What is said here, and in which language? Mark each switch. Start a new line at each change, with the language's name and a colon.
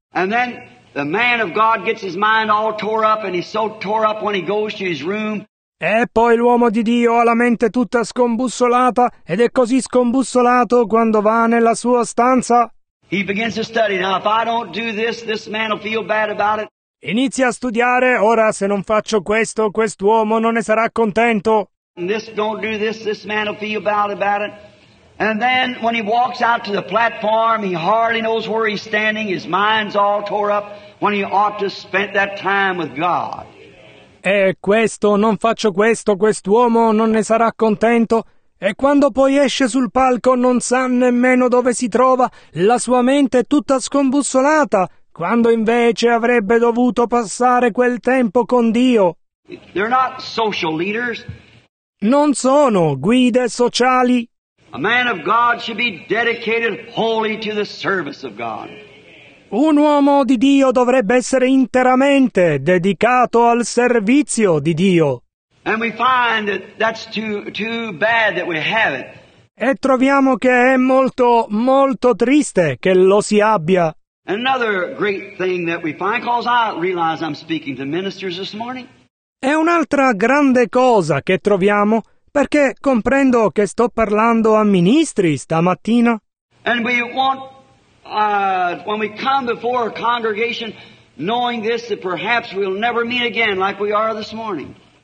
English: And then the man of God gets his mind all tore up and he's so tore up when he goes to his room.
Italian: E poi l'uomo di Dio ha la mente tutta scombussolata ed è così scombussolato quando va nella sua stanza.
English: He begins to study. Now if I don't do this, this man will feel bad about it.
Italian: Inizia a studiare, ora se non faccio questo, quest'uomo non ne sarà contento.
English: This don't do this, this man will feel bad about it. And then when he walks out to the platform, he hardly knows where he's standing, his mind's all tore up when he ought to spend that time with God.
Italian: E questo, non faccio questo, quest'uomo non ne sarà contento. E quando poi esce sul palco non sa nemmeno dove si trova, la sua mente è tutta scombussolata. Quando invece avrebbe dovuto passare quel tempo con Dio.
English: They're not social leaders.
Italian: Non sono guide sociali.
English: A man of God should be dedicated wholly to the service of God.
Italian: Un uomo di Dio dovrebbe essere interamente dedicato al servizio di Dio.
English: And we find that that's too bad that we have it.
Italian: E troviamo che è molto, molto triste che lo si abbia.
English: Another great thing that we find, because I realize I'm speaking to ministers this morning.
Italian: È un'altra grande cosa che troviamo, perché comprendo che sto parlando a ministri stamattina.
English: And we want, when we come before a congregation, knowing this, that perhaps we'll never meet again like we are this morning.